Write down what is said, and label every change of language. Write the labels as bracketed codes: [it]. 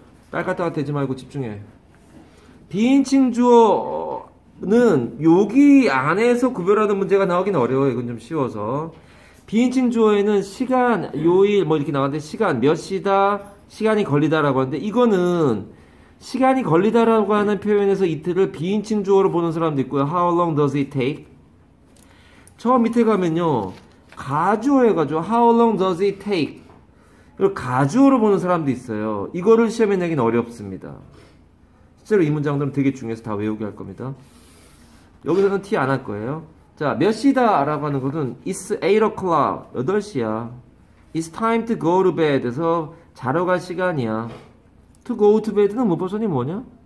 [ko] 딸깍딸깍 대지 말고 집중해. 비인칭 주어는 여기 안에서 구별하는 문제가 나오긴 어려워. 이건 좀 쉬워서. 비인칭 주어에는 시간, 요일, 뭐 이렇게 나왔는데, 시간, 몇 시다, 시간이 걸리다라고 하는데, 이거는, 시간이 걸리다라고 하는 표현에서 이틀을 비인칭 주어로 보는 사람도 있고요. [en] How long does it take? [ko] 저 밑에 가면요. 가주어 해가지고 [en] How long does it take? [ko] 이걸 가주어로 보는 사람도 있어요. 이거를 시험에 내긴 어렵습니다. 실제로 이 문장들은 되게 중요해서 다 외우게 할 겁니다. 여기서는 티안할 거예요. 자, 몇 시다라고 하는 것은 [en] It's 8 o'clock. [ko] 8시야. [en] It's time to go to bed에서 [ko] 자러 갈 시간이야. To go to bed는 문법선이 뭐냐?